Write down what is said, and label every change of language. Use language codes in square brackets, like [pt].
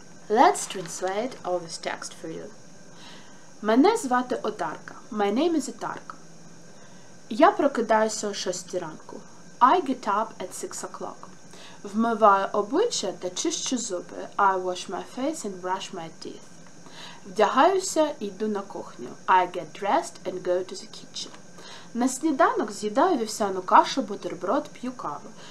[en] Let's translate all this text for you. [uk] Мене звати Одарка. [en] My name is Odarka. [uk] Я прокидаюся о 6 ранку. [en] I get up at 6 o'clock. [uk] Вмиваю обличчя та чищу зуби. [en] I wash my face and brush my teeth. [uk] Вдягаюся і йду на кухню. [en] I get dressed and go to the kitchen. [uk] На сніданок з'їдаю вівсяну кашу, бутерброд, п'ю каву.